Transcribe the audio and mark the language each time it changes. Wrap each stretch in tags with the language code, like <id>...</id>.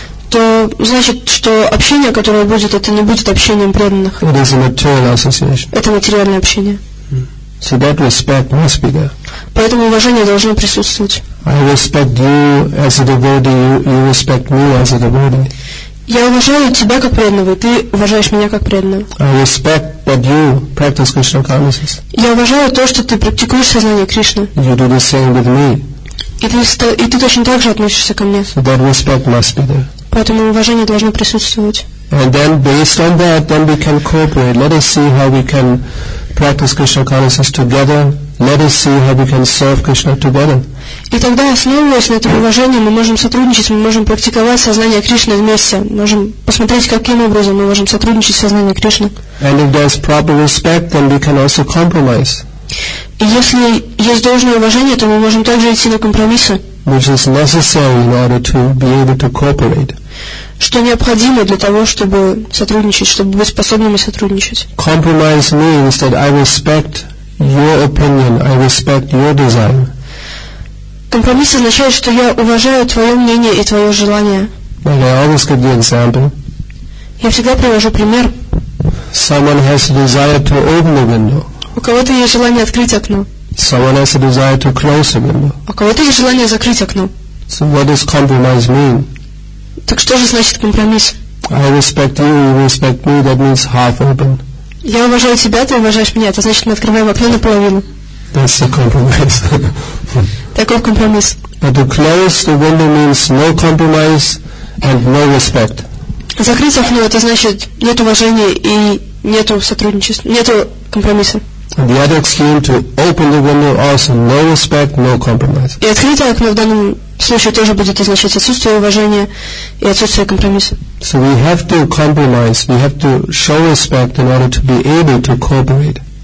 <ru>То значит, что общение, которое будет, это не будет общением преданных.</ru> <en>It is a material association.</en> <ru>Это материальное общение.</ru> <en>So that respect must be there.</en> <ru>Поэтому уважение должно присутствовать.</ru> <en>I respect you as a devotee, you respect me as a devotee.</en> <ru>Я уважаю тебя как преданного, ты уважаешь меня как преданного.</ru> <en>I respect that you practice Krishna consciousness.</en> <ru>Я уважаю то, что ты практикуешь сознание Кришны.</ru> <en>You do the same with me.</en> <ru>И ты точно так же относишься ко мне.</ru> <en>So that respect must be there.</en> <ru>Поэтому уважение должно присутствовать.</ru> <en>And then based on that, then we can cooperate. Let us see how we can practice Krishna consciousness together. Let us see how we can serve Krishna together.</en> <ru>И тогда, основываясь на этом уважении, мы можем сотрудничать, мы можем практиковать сознание Кришны вместе. Мы можем посмотреть, каким образом мы можем сотрудничать с сознанием Кришны.</ru> <en>And if there's proper respect, then we can also compromise.</en> <ru>И если есть должное уважение, то мы можем также идти на компромиссы.</ru> <en>Which is necessary in order to be able to cooperate.</en> <ru>Что необходимо для того, чтобы сотрудничать, чтобы быть способными сотрудничать.</ru> <en>Compromise means that I respect your opinion, I respect your desire.</en> <ru>Компромисс означает, что я уважаю твое мнение и твое желание.</ru> <en>And I always give the example.</en> <ru>Я всегда привожу пример.</ru> <en>Someone has a desire to open the window.</en> <ru>У кого-то есть желание открыть окно.</ru> <en>Someone has a desire to close the window.</en> <ru>У кого-то есть желание закрыть окно.</ru> <en>So what does compromise mean?</en> <ru>Так что же значит компромисс?</ru> <en>I respect you, you respect me, that means half open.</en> <ru>Я уважаю тебя, ты уважаешь меня, это значит мы открываем окно наполовину.</ru> <en>That's a compromise.</en> <ru>Таков компромисс.</ru> <en>But to close the window means no compromise and no respect.</en> <ru>Закрыть окно, это значит нет уважения и нету сотрудничества, нету компромисса.</ru> <en>And the other extreme, to open the window, also no respect, no compromise.</en> <ru>И открыть окно в данном случае тоже будет означать отсутствие уважения и отсутствие компромисса.</ru> <en>So we have to compromise, we have to show respect in order to be able to cooperate.</en>